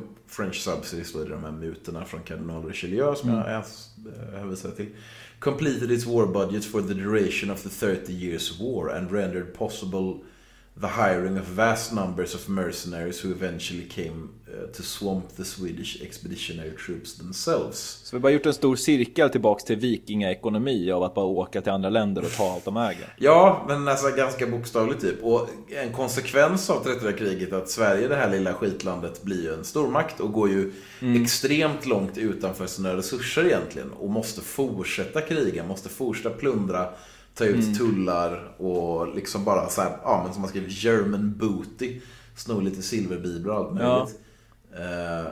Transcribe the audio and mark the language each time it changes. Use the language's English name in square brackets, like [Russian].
[English] French subsidies, [Swedish] då är det de här mutorna från kardinal Richelieu som jag hänvisar till. [English] Completed its war budget for the duration of the 30 years war and rendered possible the hiring of vast numbers of mercenaries who eventually came to swamp the Swedish expeditionary troops themselves. [Swedish] Så vi har gjort en stor cirkel tillbaks till vikingaekonomi av att bara åka till andra länder och ta allt de äger. Ja, men alltså ganska bokstavligt typ. Och en konsekvens av 30-åriga kriget att Sverige, det här lilla skitlandet, blir ju en stormakt och går ju extremt långt utanför sina resurser egentligen och måste fortsätta kriga, måste fortsätta plundra, ta ut tullar och liksom bara så här, ja, men som man skriver, [English] German booty, [Swedish] sno lite silverbibra allt möjligt. Ja.